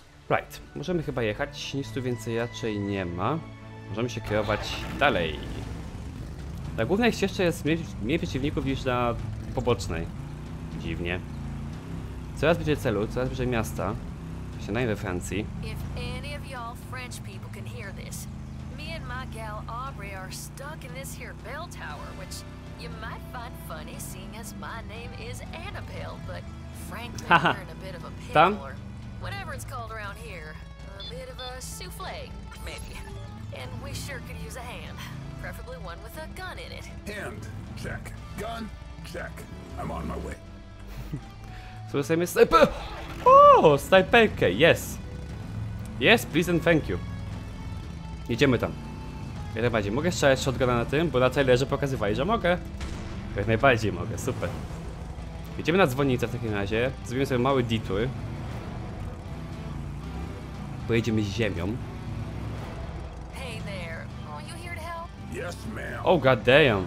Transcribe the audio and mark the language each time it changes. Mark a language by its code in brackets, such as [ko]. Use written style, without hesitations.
[en] Right. [pl] Możemy chyba jechać. Nic tu więcej raczej nie ma. Możemy się kierować dalej. Na głównej ścieżce jest mniej przeciwników niż na pobocznej. Dziwnie. Coraz bliżej celu, coraz bliżej miasta. [en] If any of y'all French people can hear this, me and my gal Aubrey are stuck in this here bell tower, which You might find funny seeing as my name is Annabelle, but frankly, I'm a bit of a pickle, or whatever it's called around here. A bit of a souffle, maybe. And we sure could use a hand. Preferably one with a gun in it. Hand, check. Gun, check. I'm on my way. So the same is sniper. Oh, [pl] sniperkę, [en] yes. Yes, please and thank you. [pl] Idziemy tam. Jak najbardziej, mogę strzelać shotguna na tym, bo na trailerze pokazywali, że mogę. Jak najbardziej mogę, super. Idziemy na dzwonnicę w takim razie. Zrobimy sobie mały detour. Pojedziemy z ziemią. [en] Hey there. Are you here to help? Yes, ma'am. Oh, god damn.